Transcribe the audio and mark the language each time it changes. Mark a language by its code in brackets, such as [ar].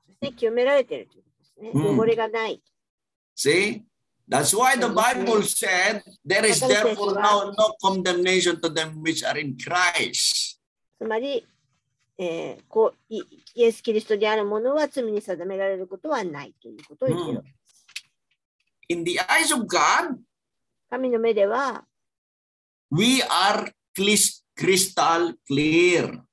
[ja] で清められているということですね。汚れがない。 [en] See? That's why the Bible said there is therefore now no condemnation to them which are in Christ. [ja] つまり、こう、イエス・キリストにある者は罪に定められることはないということを言っているわけです。 [en] In the eyes of God, [ja] 神の目では、 [en] We are crystal clear.